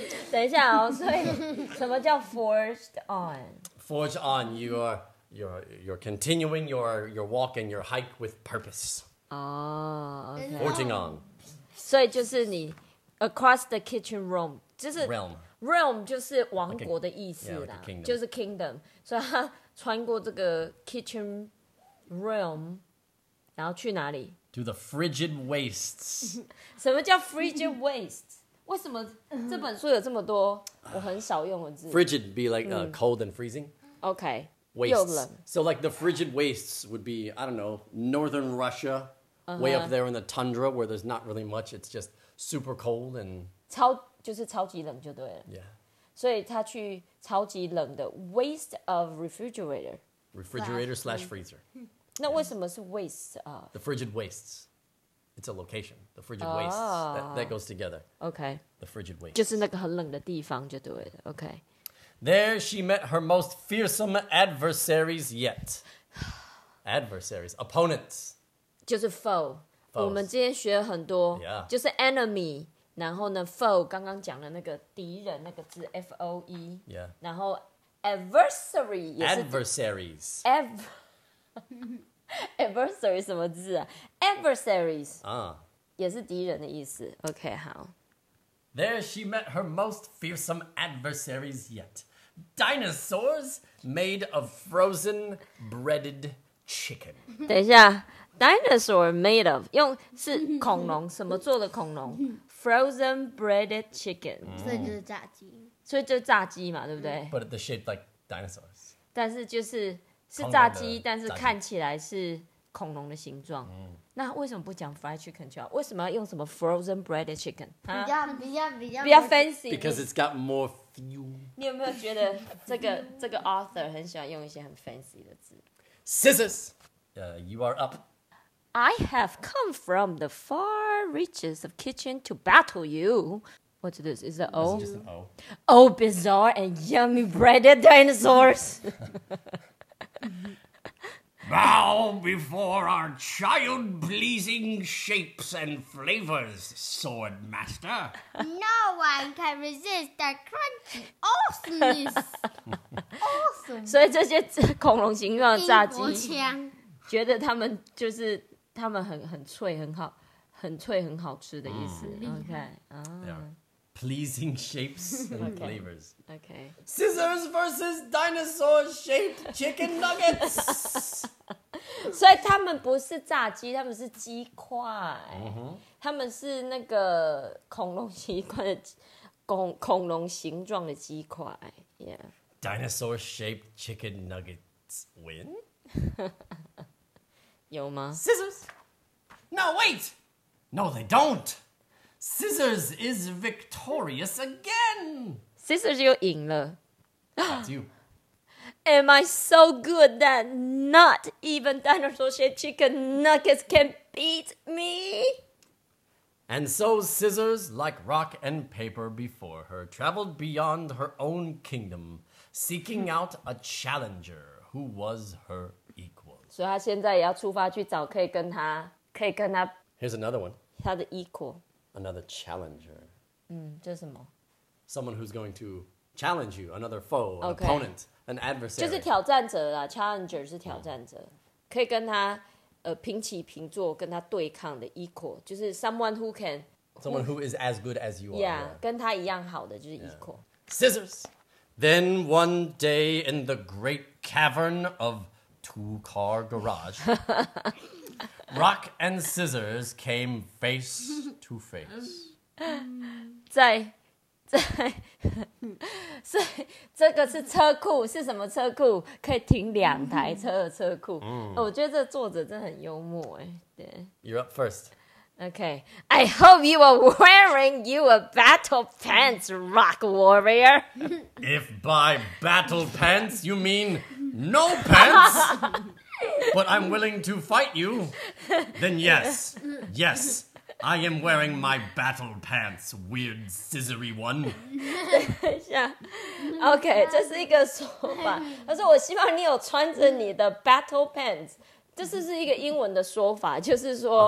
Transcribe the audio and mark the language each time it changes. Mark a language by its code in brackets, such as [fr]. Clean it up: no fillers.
[zh] 等一下哦，所以什么叫 forged on? [en] Forged on, you're continuing your walk and your hike with purpose. Oh, okay. Forging on. [zh] 所以就是你 [en] across the kitchen realm, [zh] 就是 [en] realm [zh] 就是王国的意思啦 [en] like a kingdom. [zh] 就是 kingdom, 所以他穿过这个 kitchen realm, 然后去哪里 [en] to the frigid wastes. [zh] 什么叫 frigid wastes? 为什么这本书有这么多我很少用的字 [en] frigid be like cold and freezing? Okay, wastes. [zh] 又冷 [en] So like the frigid wastes would be, I don't know, northern Russia,way up there in the tundra where there's not really much, it's just super cold and... [zh] 就是超级冷就对了。 [en] Yeah. [zh] 所以他去超级冷的 [en] waste of refrigerator. Refrigerator / freezer. 那为什么是 waste of? The frigid wastes. It's a location. The frigid wastes. That goes together. Okay. The frigid wastes. [zh] 就是那个很冷的地方就对了。 [en] Okay. There she met her most fearsome adversaries yet. Adversaries. Opponents. [zh] 就是 foe 我们今天学了很多、 [en] yeah. [zh] 就是 enemy 然后呢 foe 刚刚讲的那个敌人那个字 F-O-E、 [en] yeah. [zh] 然后 adversary 也是 [en] adversaries [zh] adversary 什么字啊 adversaries、 uh. 也是敌人的意思 OK 好 [en] There she met her most fearsome adversaries yet Dinosaurs made of frozen breaded chicken [zh] 等一下 [en] Dinosaur made of [zh] 用是恐龙什么做的恐龙 [en] Frozen breaded chicken [zh] 所以就是炸鸡所以就是炸鸡嘛对不对 [en] But the shape like dinosaurs [zh] 但是就是是炸鸡但是看起来是恐龙的形状、嗯、那为什么不讲 fried chicken 就好为什么要用什么 [en] frozen breaded chicken [zh] 比较 [en] fancy Because it's got more fuel [zh] 你有没有觉得这个 author 很喜欢用一些很 fancy 的字 [en] Scissors、You are up I have come from the far reaches of kitchen to battle you. What's this? Is it an O? Is it just an O? Oh, bizarre and yummy breaded dinosaurs. Bow before our child-pleasing shapes and flavors, sword master. No one can resist the crunchy awesomeness. Awesome. So these [zh] 恐龙形状的炸鸡，英国腔，觉得他们就是。他们很脆，很好吃的意思。 [en] Mm. Okay. Pleasing shapes and flavors. Okay. Scissors versus dinosaur-shaped chicken nuggets. [zh] 所以他们不是炸鸡，他们是鸡块。 Mm-hmm. 他们是那个恐龙习惯的恐龙形状的鸡块。 [en] Yeah. Dinosaur-shaped chicken nuggets win. [zh] 有吗 [en] Scissors! No, wait! No, they don't! Scissors is victorious again! [zh] Scissors 又赢了 [en] That's you. Am I so good that not even dinosaur-shaped chicken nuggets can beat me? And so Scissors, like rock and paper before her, traveled beyond her own kingdom, seeking out a challenger who was her equal. [zh] 所以他现在也要出发去找可以跟他 [en] Here's another one. [zh] 他的 equal. [en] Another challenger. [zh] 嗯，这是什么？ [en] Someone who's going to challenge you, another foe, an、 okay. opponent, an adversary. [zh] 就是挑战者啦 challenger 是挑战者、oh. 可以跟他、平起平坐跟他对抗的 equal 就是 [en] someone who can Someone who is as good as you are. Yeah, [zh] 跟他一样好的就是 equal、yeah. [en] Scissors! Then one day in the great cavern of two-car garage. Rock and Scissors came face Two Face。 [zh] 在，所以这个是车库，是什么车库？可以停两台车的车库。嗯，我觉得这个作者真的很幽默哎。对 [en] ，You're up first. Okay, I hope you are wearing your battle pants, Rock Warrior. If by battle pants you mean no pants, but I'm willing to fight you, then yes, yes. I am wearing my battle pants, weird scissory one. [zh] 等一下 OK, 这是一个说法。他说我希望你有穿着你的 [en] battle pants. [zh] 这是一个英文的说法，就是说